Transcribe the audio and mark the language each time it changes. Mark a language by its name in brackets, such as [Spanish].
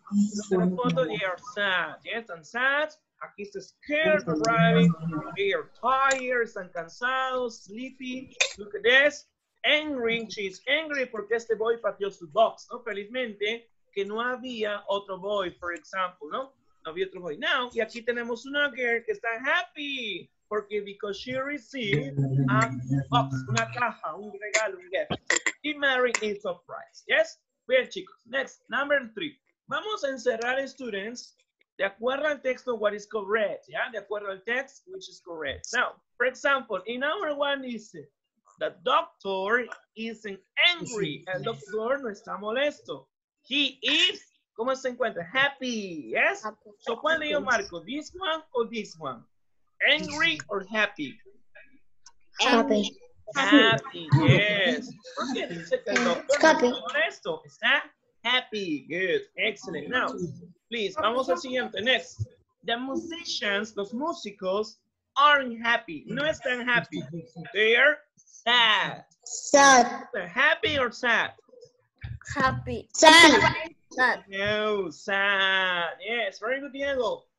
[English] Look at the photo, they are sad, yes? And sad, [Spanish] aquí está [English] scared, driving. They are tired, [Spanish] están cansados, [English] sleepy. Look at this, angry, she's angry [Spanish] porque este [English] boy [Spanish] pateó su [English] box, ¿no? [Spanish] Felizmente, que no había otro boy, for example, ¿no? No había otro boy. Now, y aquí tenemos una girl que está happy, porque [English] because she received a box, [Spanish] una caja, un regalo, un gift. [English] Y Mary is surprised. Yes? [Spanish] Bien, chicos. [English] Next, number three. [Spanish] Vamos a encerrar, students, de acuerdo al texto, [English] what is correct. [Spanish] Yeah? De acuerdo al [English] text, which is correct. Now, for example, in number one is the doctor isn't angry. [Spanish] El doctor no está molesto. [English] He is, [Spanish] ¿cómo se encuentra? Happy. Yes? [English] So, [Spanish] ¿cuál le yo marco? [English] ¿This one or this one? Angry or happy? Happy. Happy, yes. [Spanish] ¿Por qué dice que el doctor está molesto? [English] Está happy, good, excellent. Now, please, [Spanish] vamos al siguiente. [English] Next, the musicians, [Spanish] los músicos, [English] aren't happy. [Spanish] No están [English] happy. They are sad. Sad. Happy or sad? Happy. Sad. Sad. No, sad. Yes, very good, Diego.